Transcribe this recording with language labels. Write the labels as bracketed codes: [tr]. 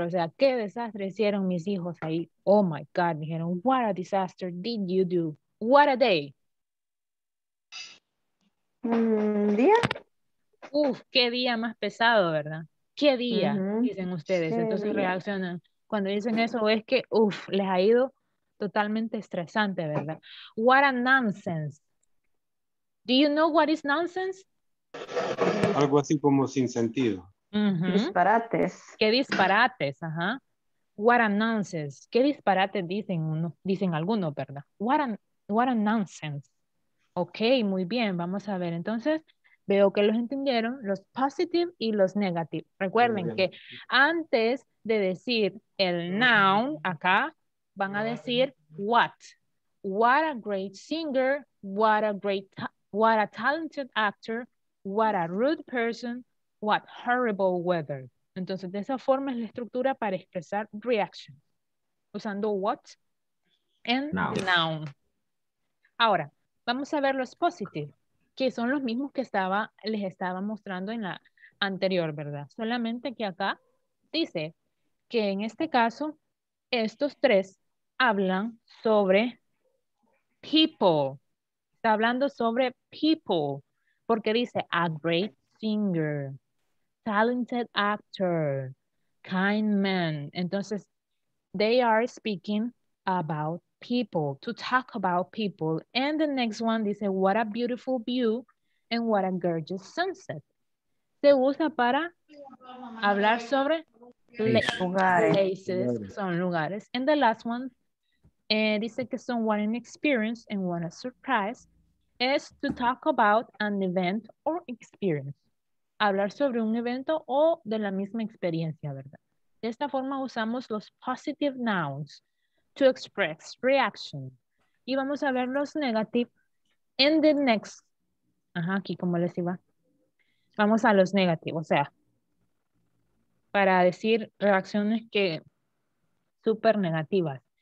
[es] O sea, qué desastre hicieron mis hijos ahí. [en] Oh my God, [es] dijeron, [en] what a disaster did you do? What a day. [es] Día. Uf, qué día más pesado, ¿verdad? Qué día, dicen ustedes. Qué entonces día. Reaccionan. Cuando dicen eso es que, uf, les ha ido totalmente estresante, ¿verdad? [en] What a nonsense. Do you know what is nonsense? [es] Algo así como sin sentido. Disparates. Qué disparates, ajá. [en] What a nonsense. [es] Qué disparates dicen uno, dicen algunos, ¿verdad? [en] What a nonsense. [es] Ok, muy bien, vamos a ver. Entonces, veo que los entendieron, los positive y los negative. Recuerden que antes de decir el noun acá, van a decir what. [en] What a great singer, what a talented actor, what a rude person, what horrible weather. [es] Entonces, de esa forma es la estructura para expresar reaction. Usando [en] what and noun. [es] Ahora, vamos a ver los positive, que son los mismos que les estaba mostrando en la anterior, ¿verdad? Solamente que acá dice que en este caso, estos tres hablan sobre people. Está hablando sobre people, porque dice [en] a great singer, talented actor, kind man. [es] Entonces, [en] they are speaking about people, to talk about people. And the next one [es] dice, [en] what a beautiful view and what a gorgeous sunset. [es] Se usa para hablar sobre [en] places, [es] son lugares. [en] And the last one [es] dice que son [en] what an experience and what a surprise is to talk about an event or experience. [es] Hablar sobre un evento o de la misma experiencia, ¿verdad? De esta forma usamos los positive nouns [en] to express reaction. [es] Y vamos a ver los negative [en] in the next. [es] Ajá, aquí como les iba. Vamos a los negative, o sea, para decir reacciones que super negativas.